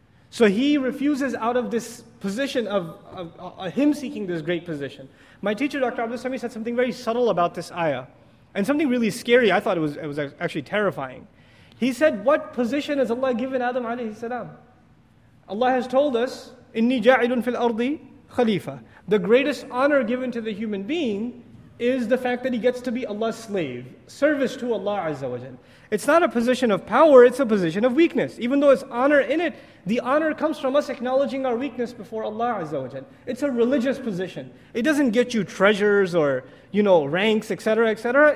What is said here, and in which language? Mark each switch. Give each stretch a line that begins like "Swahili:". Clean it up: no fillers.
English: So he refuses out of this position of him seeking this great position. My teacher, Dr. Abdul Sami, said something very subtle about this ayah. And something really scary. I thought it was actually terrifying. He said, what position has Allah given Adam alayhi salam? Allah has told us,
Arabic: إِنِّي جَاعِلٌ فِي الْأَرْضِ خَلِيفَةً.
English: The greatest honor given to the human being is the fact that he gets to be Allah's slave, service to Allah Azza wa Jal. It's not a position of power, it's a position of weakness. Even though it's honor in it, the honor comes from us acknowledging our weakness before Allah Azza wa Jal. It's a religious position. It doesn't get you treasures or, you know, ranks, etc., etc.